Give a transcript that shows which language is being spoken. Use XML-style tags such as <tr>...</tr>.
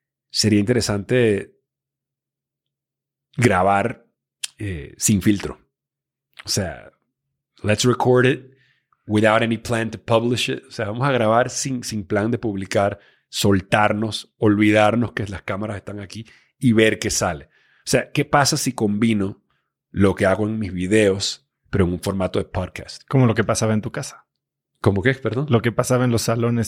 <es>Sería interesante grabar sin filtro. O sea,</es> <en>let's record it without any plan to publish it.</en> <es>O sea, vamos a grabar sin plan de publicar, soltarnos, olvidarnos que las cámaras están aquí y ver qué sale. O sea, ¿qué pasa si combino lo que hago en mis videos, pero en un formato de podcast? Como lo que pasaba en tu casa. ¿Cómo qué? Perdón. Lo que pasaba en los salones</es>